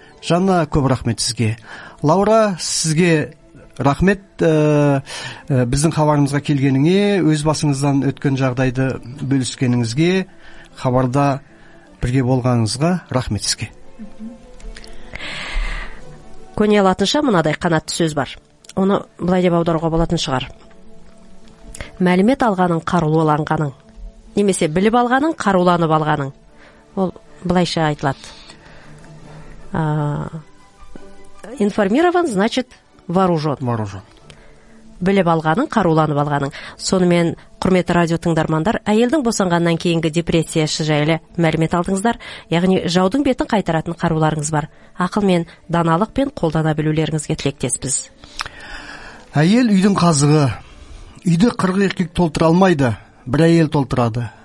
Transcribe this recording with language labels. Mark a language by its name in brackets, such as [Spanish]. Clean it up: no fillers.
[Kazakh] Жанна, көп рахмет сізге. Лаура, сізге рахмет біздің хабарымызға келгеніңе, өз басыңыздан өткен жағдайды бөліскеніңізге, хабарда бірге болғаныңызға рахмет сізге. Көне алатынша мынадай қанатты сөз бар. Оны былай деп аударуға болатын шығар. Мәлімет алғаның қаруланғаның, немесе біліп алғаның қаруланып алғаның. Ол былайша айтылады. [Russian] Информирован, значит, вооружен. Вооружен. [Kazakh] Біліп алғаның қаруланып алғаның. Сонымен, құрметті радио тыңдармандар, әйелдің босанғаннан кейінгі депрессиясы жайлы мәлімет алдыңыздар, яғни жаудың бетін қайтаратын қаруларыңыз бар. Ақыл мен даналық пен қолдана білулеріңізге тілектеспіз. Әйел үйдің қазығы. Үйді 40 еркек толтыра алмайды, бір әйел толтырады.